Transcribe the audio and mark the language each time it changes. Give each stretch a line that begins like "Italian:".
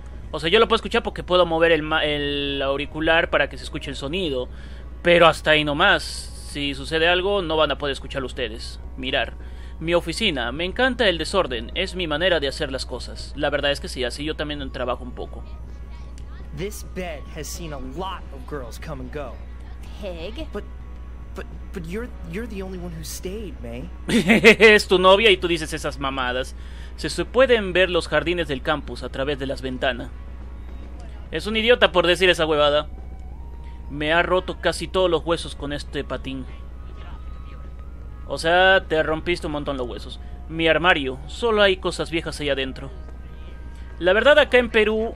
Spanish: O sea, yo lo puedo escuchar porque puedo mover el auricular para que se escuche el sonido, pero hasta ahí nomás. Si sucede algo, no van a poder escucharlo ustedes. Mirar. Mi oficina, me encanta el desorden, es mi manera de hacer las cosas. La verdad es que sí, así yo también trabajo un poco.
English: This bed has seen a lot of girls come and go. Pig? But you're the only one who stayed, May.
Spanish: Es tu novia y tú dices esas mamadas. Se pueden ver los jardines del campus a través de las ventanas. Es un idiota por decir esa huevada. Me ha roto casi todos los huesos con este patín. O sea, te rompiste un montón los huesos. Mi armario. Solo hay cosas viejas ahí adentro. La verdad, acá en Perú...